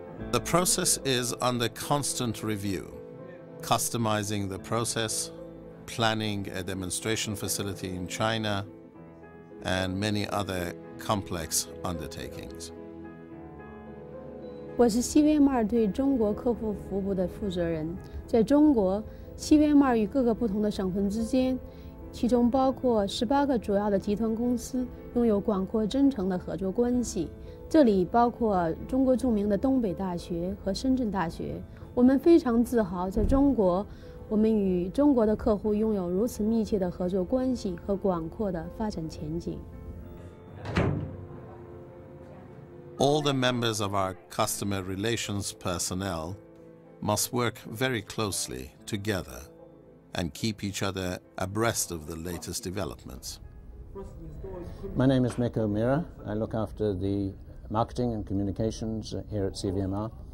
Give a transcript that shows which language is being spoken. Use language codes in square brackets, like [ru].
[en] The process is under constant review, customizing the process, planning a demonstration facility in China, and many other complex undertakings. [zh] 我是CVMR对中国客户服务的负责人。在中国， CVMR与各个不同的省份之间， 其中包括18个主要的集团公司，拥有广阔真诚的合作关系。这里包括中国著名的东北大学和深圳大学。我们非常自豪，在中国，我们与中国的客户拥有如此密切的合作关系和广阔的发展前景。 [en] All the members of our customer relations personnel must work very closely together and keep each other abreast of the latest developments. My name is Meko Mira. I look after the marketing and communications here at CVMR.